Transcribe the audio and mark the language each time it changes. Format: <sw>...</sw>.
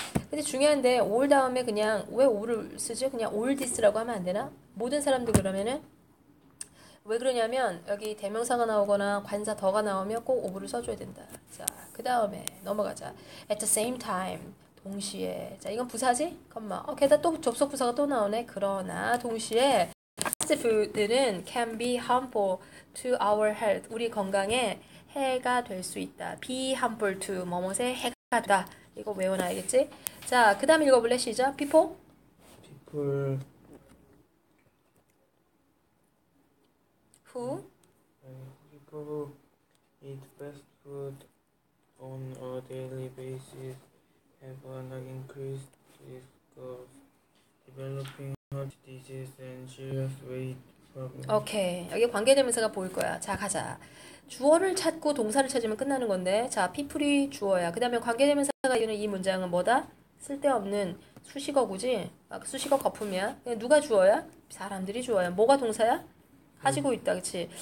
<ko>근데 중요한데, all 다음에 그냥, 왜 all을 쓰지? 그냥</ko> <en>all this</en> <ko>라고 하면 안 되나? 모든 사람들 그러면은? 왜 그러냐면, 여기 대명사가 나오거나 관사 더가 나오면 꼭 of를 써줘야 된다. 자, 그 다음에 넘어가자.</ko> <en>At the same time.</en> <ko>동시에. 자, 이건 부사지? 컴마. 게다가 또 접속 부사가 또 나오네. 그러나, 동시에. 패스트푸드는</ko> <en>can be harmful to our health.</en> <ko>우리 건강에 해가 될수 있다.</ko> <en>Be harmful to</en> <ko>뭐뭇에 해가 된다. 이거 외워놔야겠지? 자, 그 다음 읽어볼래? 시작.</ko> <en>People. People, Who? people eat fast food on a daily basis have an increased risk of developing heart disease and serious weight problems.</en> <ko>오케이. 여기 관계대명사가 보일 거야. 자, 가자. 주어를 찾고 동사를 찾으면 끝나는 건데. 자, 피플이 주어야. 그 다음에 관계대명사가 이어는 이 문장은 뭐다? 쓸데없는 수식어구지? 아, 수식어 거품이야. 누가 주어야? 사람들이 주어야. 뭐가 동사야? 가지고 있다. 그치?</ko>